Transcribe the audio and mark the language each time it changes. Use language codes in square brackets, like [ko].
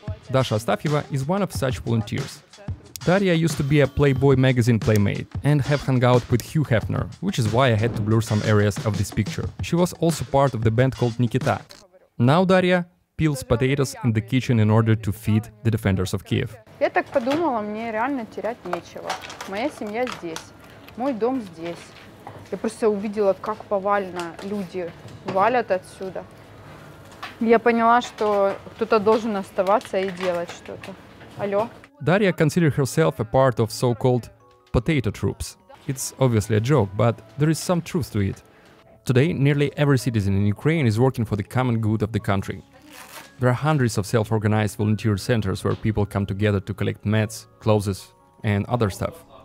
[en] Dasha Astafyeva is one of such volunteers. Daria used to be a Playboy magazine playmate and have hung out with Hugh Hefner, which is why I had to blur some areas of this picture. She was also part of the band called Nikita. Now Daria peels potatoes in the kitchen in order to feed the defenders of Kiev. [ru] Я так подумала, мне реально терять нечего. Моя семья здесь, мой дом здесь. Я просто увидела, как повально люди валят отсюда. Я поняла, что кто-то должен оставаться и делать что-то. Алло. [en] Дарья considers herself a part of so-called potato troops. It's obviously a joke, but there is some truth to it. Today, nearly every citizen in Ukraine is working for the common good of the country. There are hundreds of self-organized volunteer centers where people come together to collect mats, clothes, and other stuff.